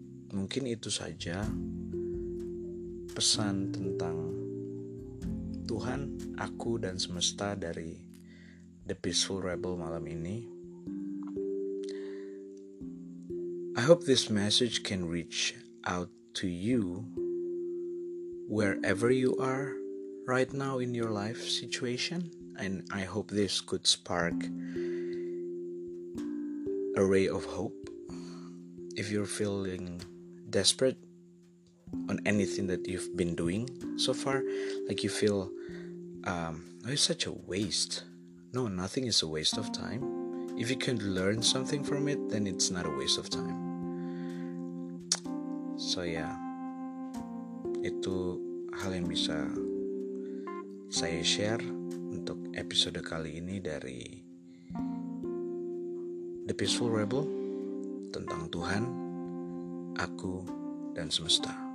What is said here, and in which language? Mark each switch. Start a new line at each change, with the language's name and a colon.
Indonesian: Mungkin itu saja pesan tentang Tuhan, aku, dan semesta dari The Peaceful Rebel malam ini.
English: I hope this message can reach out to you wherever you are right now in your life situation. And I hope this could spark a ray of hope. If you're feeling desperate on anything that you've been doing so far, like you feel it's such a waste. No, nothing is a waste of time. If you can learn something from it, then it's not a waste of time. So yeah,
Indonesian: itu hal yang bisa saya share untuk episode kali ini dari The Peaceful Rebel, tentang Tuhan, aku, dan semesta.